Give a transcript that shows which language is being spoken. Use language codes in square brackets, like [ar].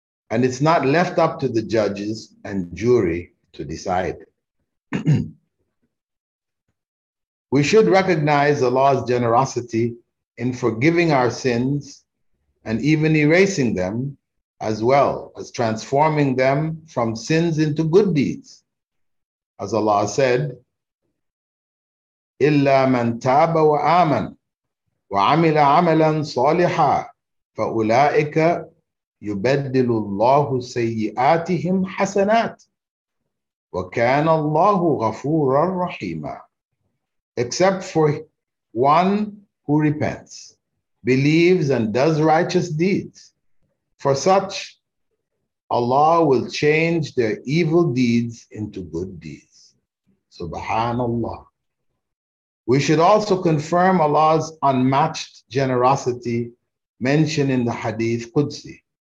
[en] And it's not left up to the judges and jury to decide. We should recognize Allah's generosity in forgiving our sins and even erasing them, as well as transforming them from sins into good deeds. [ar] As Allah said, إِلَّا مَن تَابَ وَآمَن وَعَمِلَ عَمَلًا صَالِحًا فَأُولَٰئِكَ يُبَدِّلُ اللَّهُ سَيِّئَاتِهِمْ حَسَنَاتٍ وَكَانَ اللَّهُ غَفُورًا رَحِيمًا. [en] Except for one who repents, believes, and does righteous deeds, for such, Allah will change their evil deeds into good deeds. Subhanallah. We should also confirm Allah's unmatched generosity mentioned in the Hadith Qudsi,